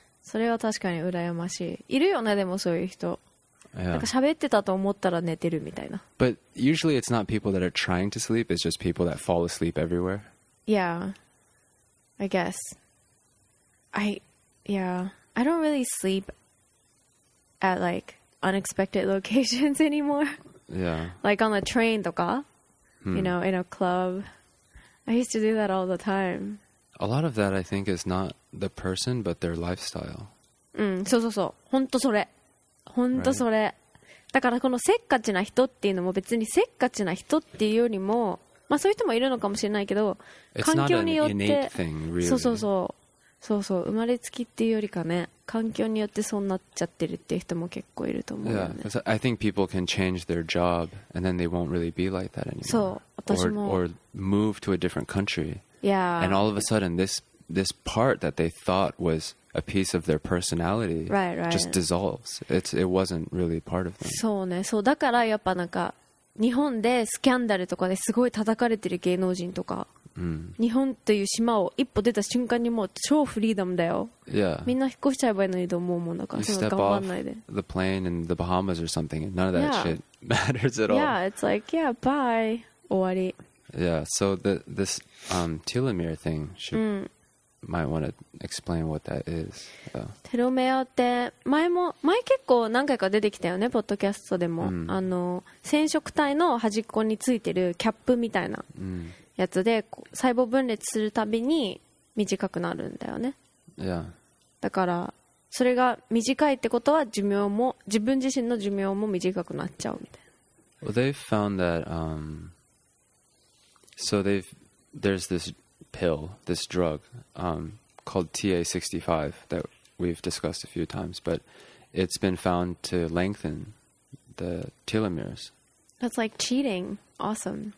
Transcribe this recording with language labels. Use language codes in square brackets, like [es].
[ja] それは確かに羨ましい。いるよね、でもそういう人。 [en] Yeah. [ja] なんか喋ってたと思ったら寝てるみたいな。 [en] But usually it's not people that are trying to sleep, it's just people that fall asleep everywhere. Yeah. I guess. I don't really sleep at like unexpected locations anymore. Yeah. Like on a train とか、you know, in a club. I used to do that all the time. A lot of that, I think, is not the person, but their lifestyle. [ja] そうそうそう。本当それ。本当それ。だからこのせっかちな人っていうのも別にせっかちな人っていうよりも、まあそういう人もいるのかもしれないけど、環境によって、 [en] It's not an innate thing, really. [ja] そうそうそう。そうそう。生まれつきっていうよりかね、環境によってそうなっちゃってるっていう人も結構いると思うよね。 [en] Yeah, because I think people can change their job and then they won't really be like that anymore. [ja] そう。私も。 [en] Or move to a different country. Yeah. And all of a sudden, this part that they thought was a piece of their personality right. just dissolves. It wasn't really part of them. [ja] そうね。そう、だからやっぱなんか、日本でスキャンダルとかですごい叩かれてる芸能人とか、日本っていう島を一歩出た瞬間にもう超フリーダムだよ。 [en] Yeah. [ja] みんな引っ越しちゃえばいいのにと思うもんだから、その頑張んないで。 [en] You step off the plane in the Bahamas or something, and none of that yeah. shit matters at all. Yeah, it's like, yeah, bye. 終わり。 Yeah, so this telomere thing might want to explain what that is. [ja] テロメアって前結構何回か出てきたよね、ポッドキャストでも。あの染色体の端っこについてるキャップみたいなやつで、細胞分裂するたびに短くなるんだよね。 [en] Yeah. [ja] だからそれが短いってことは寿命も自分自身の寿命も短くなっちゃうみたいな。 [en] Well, they found that So there's this pill, this drug called TA65 that we've discussed a few times, but it's been found to lengthen the telomeres. That's like cheating. Awesome.